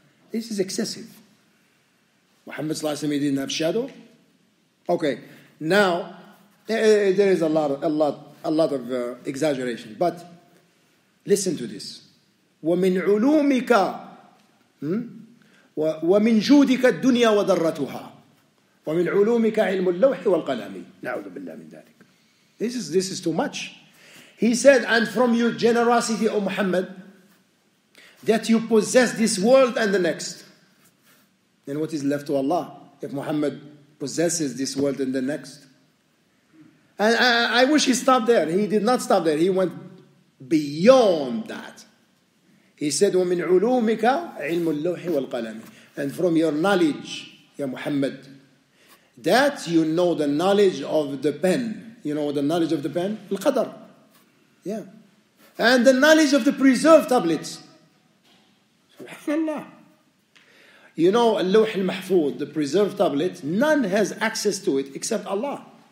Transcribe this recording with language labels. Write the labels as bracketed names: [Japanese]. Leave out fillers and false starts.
[English] This is excessive. Muhammad sallallahu alaihi wasallam didn't have shadow. Okay. Now there is a lot of exaggeration, but listen to this. [Arabic] ومن علومك ومن جودك الدنيا وضرتها ومن علومك علم اللوح والقلم. نعوذ بالله من ذلك. [English] This is too much. He said, and from your generosity, O Muhammad, that you possess this world and the next. Then what is left to Allah if Muhammad possesses this world and the next? And I wish he stopped there. He did not stop there. He went beyond that. He said, [Arabic] وَمِنْ عُلُومِكَ عِلْمُ اللَّوْحِ وَالْقَلَمِ. [English] And from your knowledge, ya Muhammad, that you know the knowledge of the pen. You know the knowledge of the pen? Al-Qadr. Yeah. And the knowledge of the preserved tablets. SubhanAllah. You know, al-Lawh al-Mahfud, the preserved tablet, none has access to it except Allah.